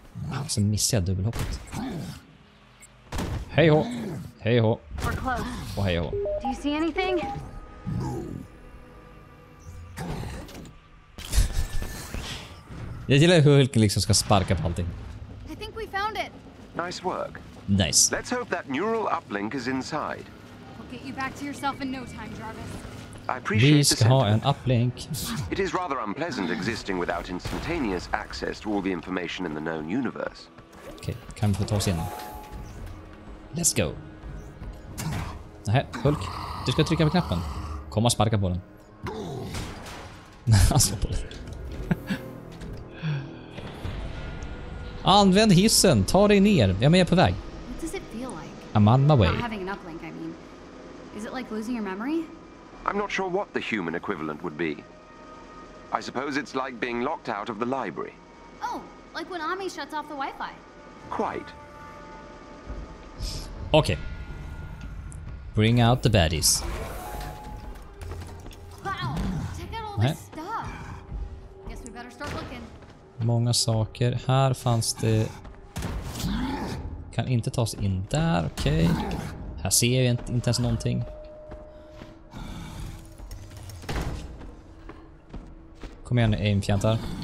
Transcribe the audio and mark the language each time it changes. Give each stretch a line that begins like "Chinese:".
Swedish: Okej, så missade jag dubbelhoppet. Hej ho. Hej ho. Och hej ho.
English: Do you see anything? No.
Swedish: Jag gillar hur Hulken liksom ska sparka på allting.
English: I think we found it. Nice work. Nice. Let's hope that neural uplink is inside. We'll get you back to yourself in no time, Jarvis. I appreciate
Swedish: vi ska ha en uplink.
English: It is rather unpleasant existing without instantaneous access to all the information in the known universe.
Swedish: Okej, okay, kan vi få ta oss in?
English: Let's go.
Swedish: Nej, Hulk. Du ska trycka på knappen. Kom och sparka på den. Alltså på den. Använd hissen. Ta dig ner. Ja, men jag är på väg.
English: What does it feel like? I'm on my way. Not having an uplink, I mean. Is it like losing your memory? I'm not sure what the human equivalent would be. I suppose it's like being locked out of the library. Oh, like when Ami shuts off the Wi-Fi. Quite. Okay. Bring out the baddies. Wow, check out all this stuff. Guess we better start looking.
Swedish: Många saker. Här fanns det... Kan inte ta oss in där, okej. Okay. Här ser jag inte ens någonting. Kom igen nu, aimfjantar.